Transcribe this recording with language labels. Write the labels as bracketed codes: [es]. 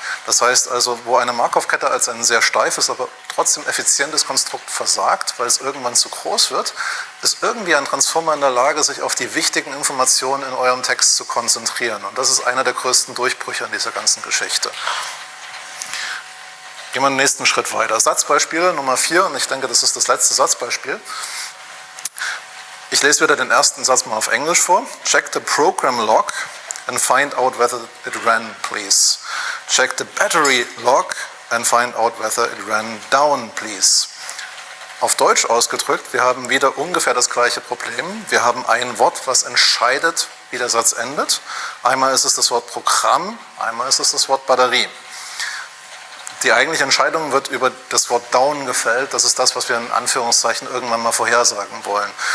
[de] Das heißt also, wo eine Markov-Kette als ein sehr steifes, aber trotzdem effizientes Konstrukt versagt, weil es irgendwann zu groß wird, ist irgendwie ein Transformer in der Lage, sich auf die wichtigen Informationen in eurem Text zu konzentrieren. Und das ist einer der größten Durchbrüche in dieser ganzen Geschichte. Gehen wir den nächsten Schritt weiter. Satzbeispiele Nummer 4, und ich denke, das ist das letzte Satzbeispiel. Ich lese wieder den ersten Satz mal auf Englisch vor. [en] Check the program log and find out whether it ran, please. Check the battery log and find out whether it ran down, please. [de] Auf Deutsch ausgedrückt, wir haben wieder ungefähr das gleiche Problem. Wir haben ein Wort, was entscheidet, wie der Satz endet. Einmal ist es das Wort Programm, einmal ist es das Wort Batterie. Die eigentliche Entscheidung wird über das Wort down gefällt. Das ist das, was wir in Anführungszeichen irgendwann mal vorhersagen wollen.